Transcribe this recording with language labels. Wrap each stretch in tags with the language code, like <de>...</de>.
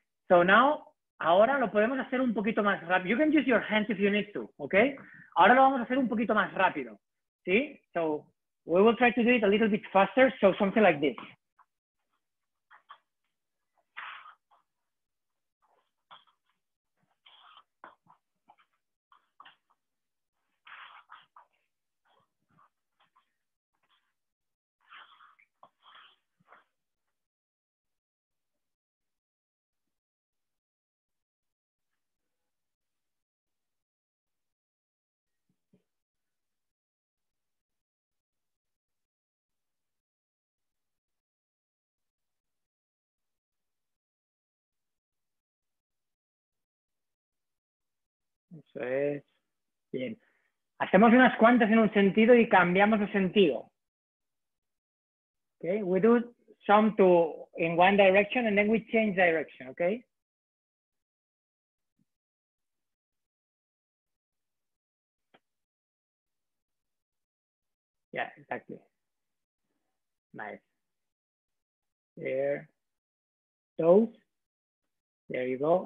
<es>So now, ahora lo podemos hacer un poquito más rápido.</es> <en>You can use your hands if you need to, okay? Ahora lo vamos a hacer un poquito más rápido, ¿sí? So we will try to do it a little bit faster, so something like this.</en> <es>Eso es. Bien. Hacemos unas cuantas en un sentido y cambiamos de sentido.</es> <en>Okay, we do some to in one direction and then we change direction, okay? Yeah, exactly. Nice. There. Toes. There you go.</en>